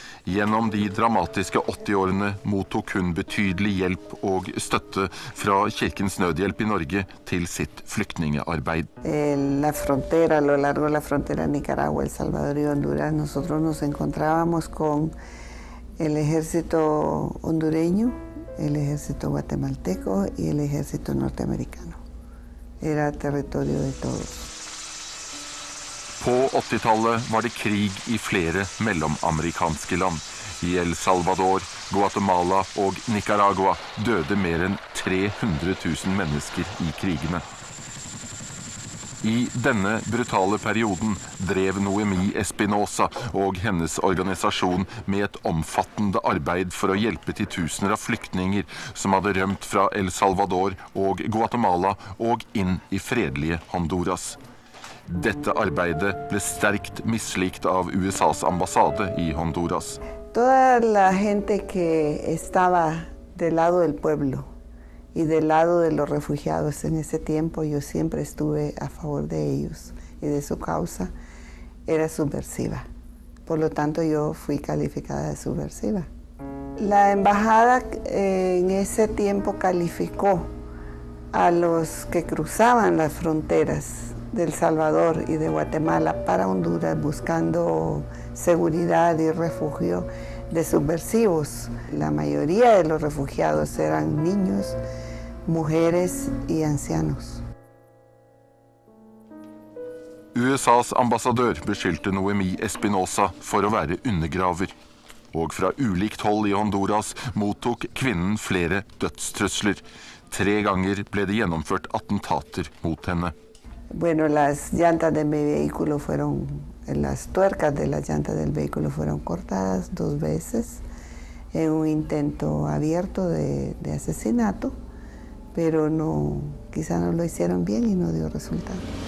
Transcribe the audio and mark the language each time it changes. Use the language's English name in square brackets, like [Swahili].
[Norwegian] Gjennom de dramatiske 80 årene mottok hun betydelig hjelp og støtte fra Kirkens Nødhjelp i Norge til sitt flyktningearbeid. [Spanish] La frontera, lo largo la frontera Nicaragua, El Salvador y Honduras, nosotros nos encontrábamos con el ejército hondureño, el ejército guatemalteco y el ejército norteamericano. Era territorio de todos. [Norwegian] På 80-tallet var det krig i flere mellomamerikanske land. I El Salvador, Guatemala og Nicaragua døde mer enn 300 000 mennesker i krigene. I denne brutale perioden drev Noemi Espinosa og hennes organisasjon med et omfattende arbeid for å hjelpe til tusener av flyktninger som hadde rømt fra El Salvador og Guatemala og inn i fredelige Honduras. Dette arbeidet ble sterkt mislikt av USAs ambassade i Honduras. [Spanish] Toda la gente que estaba del lado del pueblo y del lado de los refugiados en ese tiempo, yo siempre estuve a favor de ellos. y de su causa era subversiva. Por lo tanto, yo fui calificada de subversiva. La embajada en ese tiempo calificó a los que cruzaban las fronteras de El Salvador y de Guatemala para Honduras buscando seguridad y refugio de subversivos. La mayoría de los refugiados eran niños, mujeres y ancianos. [Norwegian] USAs ambassadør beskyldte Noemí Espinosa for å være undergraver. Og fra ulikt hold i Honduras mottok kvinnen flere dødstrusler. Tre ganger ble det gjennomført attentater mot henne. [Spanish] Bueno, las llantas de mi vehículo fueron, las tuercas de las llantas del vehículo fueron cortadas dos veces en un intento abierto de asesinato, pero no, quizá no lo hicieron bien y no dio resultado.